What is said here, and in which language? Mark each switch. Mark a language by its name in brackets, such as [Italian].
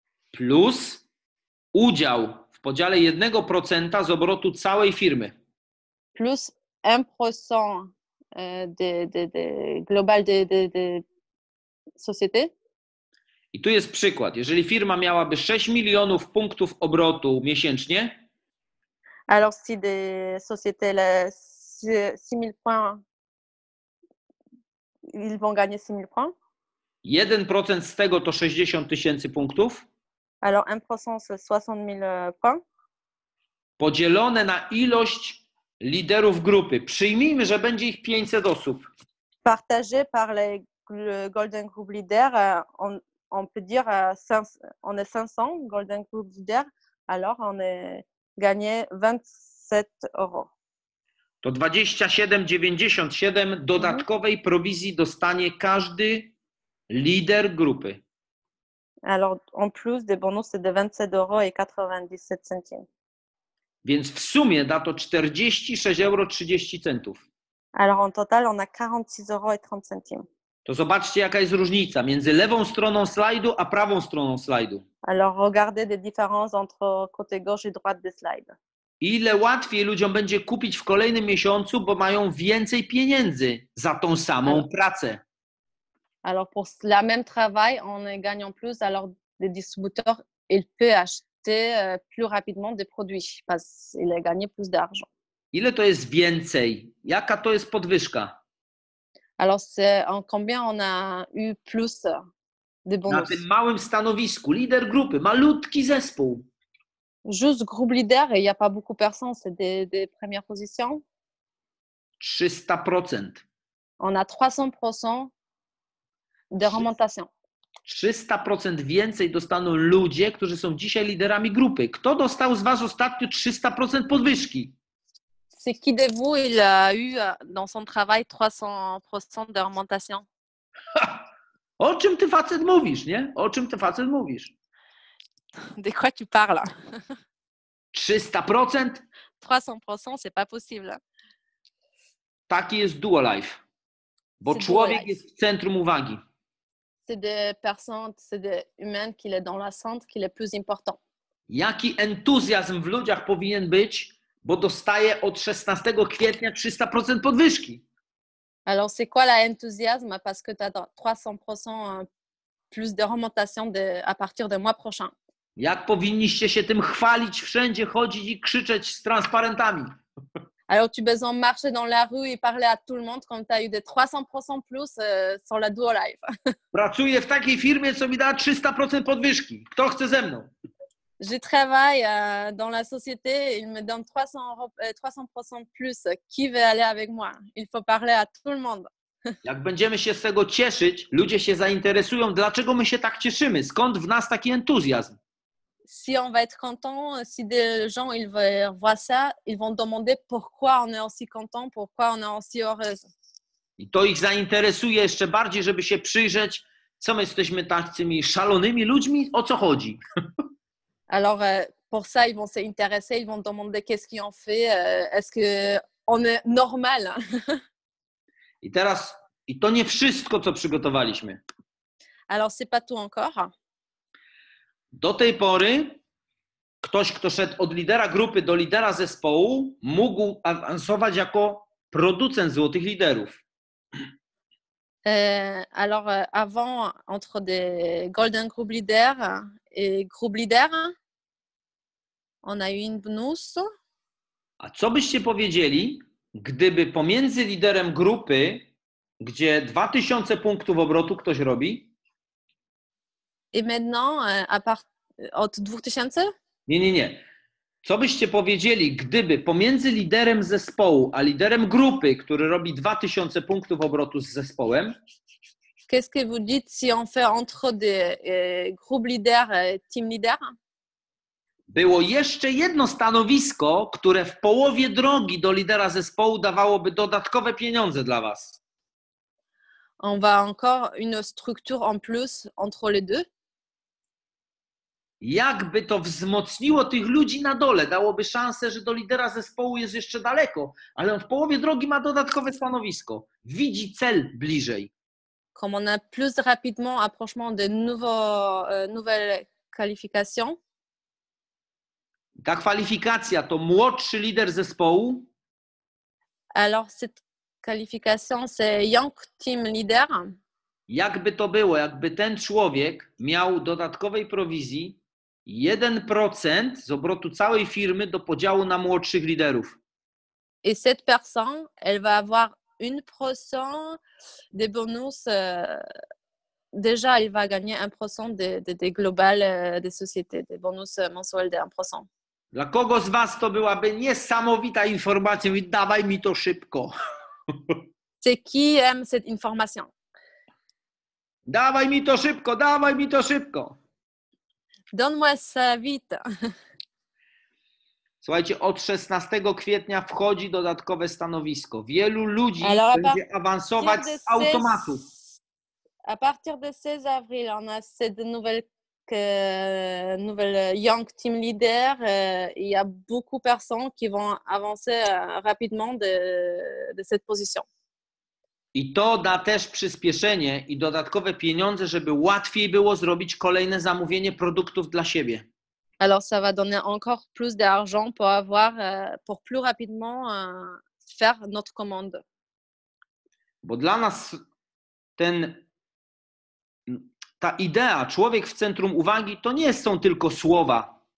[Polish] Plus udział w podziale 1% z obrotu całej firmy. [French] Plus 1% de global de société. [Polish] I tu jest przykład. Jeżeli firma miałaby 6 milionów punktów obrotu miesięcznie. [French] Alors si des sociétés le 6000 points ils vont gagner 6000 points. [Polish] 1% z tego to 60 tysięcy punktów. [French] Alors 1% c'est 60 000 points. [Polish] Podzielone na ilość liderów grupy. Przyjmijmy, że będzie ich 500 osób. [French] Partagé par les Golden Group leaders, on peut dire on est 500 Golden Group leaders, alors on est gagné 27 euros. [Polish] To 27,97 dodatkowej prowizji dostanie każdy lider grupy. [French] Alors en plus des bonus c'est de 27,97 euros. [Polish] Więc w sumie da to 46,30 euros. [French] Alors en total on a 46,30 euros. [Polish] To zobaczcie, jaka jest różnica między lewą stroną slajdu a prawą stroną slajdu. [French] Alors regardez les différences entre côté gauche et droite de slide. [Polish] Ile łatwiej ludziom będzie kupić w kolejnym miesiącu, bo mają więcej pieniędzy za tą samą pracę. [French] Alors pour la même travail, on est gagnant plus, alors le distributeur il peut acheter plus rapidement des produits parce qu'il a gagné plus d'argent. [Polish] Ile to jest więcej? Jaka to jest podwyżka? [French] Alors c'est en combien on a eu plus de bonus? [Polish] Na tym małym stanowisku, lider grupy, malutki zespół. [French] Juste groupe leader et il n'y a pas beaucoup de personnes, c'est des premières positions. 300%. On a 300% de remontation. [Polish] 300% więcej dostaną ludzie, którzy są dzisiaj liderami grupy. Kto dostał z was ostatnio 300% podwyżki? [French] C'est qui de vous il a eu dans son travail 300% de remontation? [Polish] O czym ty facet mówisz, nie? O czym ty facet mówisz? [French] De quoi tu parles? 300%? 300%, c'est pas possible. [Polish] Taki jest Duolife. Bo [French] c'est [Polish] człowiek Duolife. Jest w centrum uwagi. [French] C'est des personnes, c'est des humains qui est dans la centre, qui est plus important. [Polish] Jaki entuzjazm w ludziach powinien być, bo dostaje od 16 kwietnia 300% podwyżki? [French] Alors, c'est quoi l'enthousiasme? Parce que tu as 300% plus de remontation à partir du mois prochain. [Polish] Jak powinniście się tym chwalić, wszędzie chodzić i krzyczeć z transparentami? [French] Alors tu besoin marcher dans la rue et parler à tout le monde quand tu as eu des 300% plus sur la Duolife. [Polish] Pracuję w takiej firmie, co mi da 300% podwyżki. Kto chce ze mną? [French] Je travaille dans la société, il me donne 300% plus. Qui veut aller avec moi? Il faut parler à tout le monde. [Polish] Jak będziemy się z tego cieszyć, ludzie się zainteresują, dlaczego my się tak cieszymy? Skąd w nas taki entuzjazm? [French] Si on va être content, si des gens ils voient ça, ils vont demander pourquoi on est aussi content, pourquoi on est aussi heureuse. [Polish] I to ich zainteresuje jeszcze bardziej, żeby się przyjrzeć, co my jesteśmy tacymi szalonymi ludźmi, o co chodzi. [French] Alors pour ça ils vont s'intéresser, ils vont demander qu'est-ce qu'on fait, est-ce que on est normal. [Polish] I teraz i to nie wszystko, co przygotowaliśmy. [French] Alors c'est pas tout encore. [Polish] Do tej pory ktoś, kto szedł od lidera grupy do lidera zespołu, mógł awansować jako producent złotych liderów. [French] Alors avant entre des Golden Group leader et Group leader on a eu une bonus. [Polish] A co byście powiedzieli, gdyby pomiędzy liderem grupy, gdzie 2000 punktów obrotu ktoś robi? [French] I maintenant à part [Polish] od [French] 2000? [Polish] Nie, nie, nie. Co byście powiedzieli, gdyby pomiędzy liderem zespołu a liderem grupy, który robi 2000 punktów obrotu z zespołem? [French] Qu'est-ce que vous dites si on fait entre des groupes leaders et team leaders? [Polish] Było jeszcze jedno stanowisko, które w połowie drogi do lidera zespołu dawałoby dodatkowe pieniądze dla was. [French] On va encore une structure en plus entre les deux. [Polish] jakby to wzmocniło tych ludzi na dole, dałoby szansę, że do lidera zespołu jest jeszcze daleko, ale on w połowie drogi ma dodatkowe stanowisko, widzi cel bliżej. [French] Comme on a plus rapidement approchement de nouvelles qualifications. [Polish] Ta kwalifikacja to młodszy lider zespołu. [French] Alors cette qualification c'est young team leader. [Polish] Jakby to było, jakby ten człowiek miał dodatkowej prowizji 1% z obrotu całej firmy do podziału na młodszych liderów. [French] Et cette personne, elle va avoir 1% des bonus, déjà elle va gagner 1% des globales des sociétés, des bonus mensuels de 1%. [Polish] Dla kogo z was to byłaby niesamowita informacja i dawaj mi to szybko. [French] C'est qui aime cette information? [Polish] Dawaj mi to szybko, dawaj mi to szybko. [French] Donne-moi ça vite. [Polish] Słuchajcie, od 16 kwietnia wchodzi dodatkowe stanowisko. Wielu ludzi będzie awansować z automatu. [French] A partir de 16 avril, on a cette nouvelle young team leader. Il y a beaucoup de personnes qui vont avancer rapidement de cette position. [Polish] I to da też przyspieszenie i dodatkowe pieniądze, żeby łatwiej było zrobić kolejne zamówienie produktów dla siebie. [French] Alors ça va donner encore plus d'argent pour avoir pour plus rapidement faire notre commande. [Polish] Bo dla nas ta idea człowiek w centrum uwagi to nie są tylko słowa.